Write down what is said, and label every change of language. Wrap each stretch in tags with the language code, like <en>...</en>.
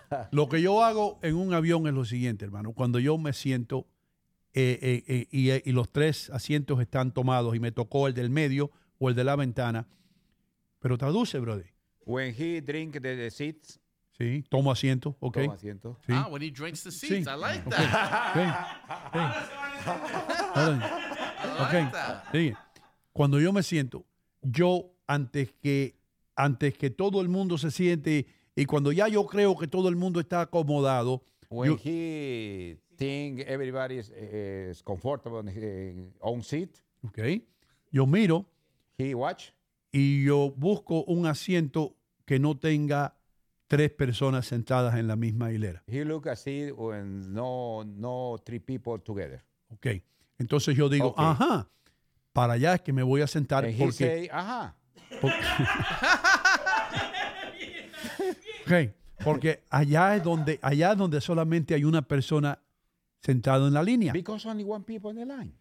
<es>Lo que yo hago en un avión es lo siguiente, hermano. Cuando yo me siento y los tres asientos están tomados y me tocó el del medio o el de la ventana, pero traduce, brother.</es> <en>When he drink the seats.</en> <es>Sí, tomo asiento, ok. Tomo asiento. Sí.</es> <en>Ah, when he drinks the seats, sí. I like that. Okay. Hey. Hey. Okay. I like that. Sí.</en> <es>Cuando yo me siento, yo antes que todo el mundo se siente y cuando ya yo creo que todo el mundo está acomodado.</es> <en>When he think everybody is comfortable in his own seat.</en> <es>Ok. Yo miro.</es> <en>He watch.</en> <es>Y yo busco un asiento que no tenga tres personas sentadas en la misma hilera.</es> <en>He look at it when no three people together.</en> <es>Okay. Entonces yo digo, okay. Ajá, para allá es que me voy a sentar.</es> <en>And</en> <es>porque.</es> <en>He say, ajá. Okay.</en> <es>Porque allá es donde solamente hay una persona sentada en la línea.</es> <en>Because only one people in the line.</en>